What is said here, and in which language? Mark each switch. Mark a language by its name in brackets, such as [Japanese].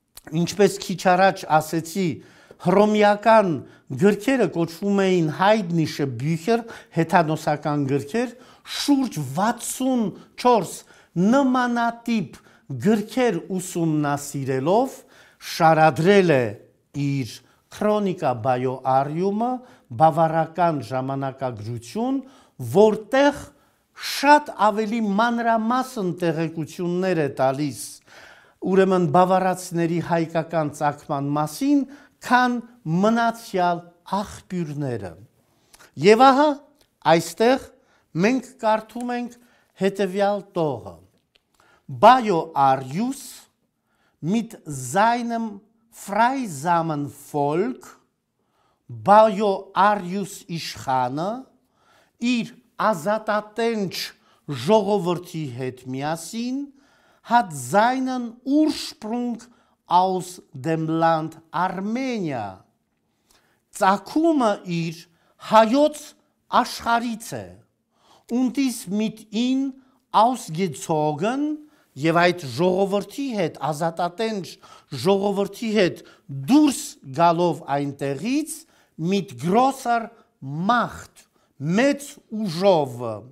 [Armenian] ինչպես քիչ առաջ ասեցի, հռոմեական գրքերը կոչվում էին [German] Heidnische Bücher, [Armenian] հեթանոսական գրքեր, շուրջ 64 նմանատիպ գրքեր ուսումնասիրելով շարադրել է իր Chronica Bioarium-ը, բավարական ժամանակագրություն, որտեղ շատ ավելի մանրամասն տեղեկություններ է տալիս ուրեմն բավարացների հայկական ցակման մասին, քան մնացյալ աղբյուրները։ Եվ ահա այստեղ մենք կարդում ենք հետևյալ տողը. [German] Bioarius mit seinem freisamen Volk Bioarius [Armenian] Իշխանը իր ազատատենչ ժողովրդի հետ միասին [German] hat seinen Ursprung aus dem Land Armenia. [Armenian] Ծագումը իր հայոց աշխարից է, [German] und ist mit ihm ausgezogen, [Armenian] եւ այդ ժողովրդի հետ, ազատատենչ ժողովրդի հետ դուրս գալով այնտեղից, [German] mit großer Macht, [Armenian] մեծ ուժով,